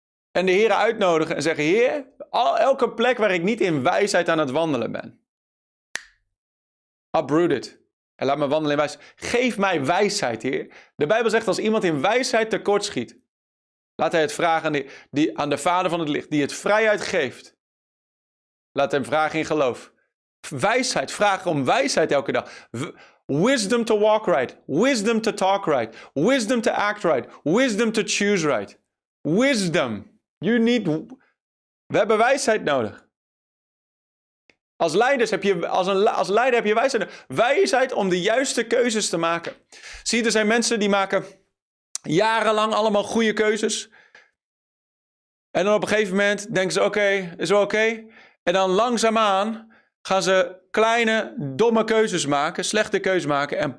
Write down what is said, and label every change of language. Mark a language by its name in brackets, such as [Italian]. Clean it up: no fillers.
[Dutch] En de Heer uitnodigen en zeggen, Heer, elke plek waar ik niet in wijsheid aan het wandelen ben, [English] uproot it. [Dutch] En laat me wandelen in wijsheid. Geef mij wijsheid, Heer. De Bijbel zegt, als iemand in wijsheid tekort schiet, laat hij het vragen aan de Vader van het licht, die het vrijheid geeft. Laat hem vragen in geloof. wijsheid, vragen om wijsheid elke dag. [English] Wisdom to walk right, wisdom to talk right, wisdom to act right, wisdom to choose right. Wisdom. You need... [Dutch] We hebben wijsheid nodig. Als leider heb je wijsheid nodig. Wijsheid om de juiste keuzes te maken. Zie, er zijn mensen die maken jarenlang allemaal goede keuzes. En dan op een gegeven moment denken ze, oké, is wel oké. En dan langzaamaan gaan ze kleine, domme keuzes maken, slechte keuzes maken.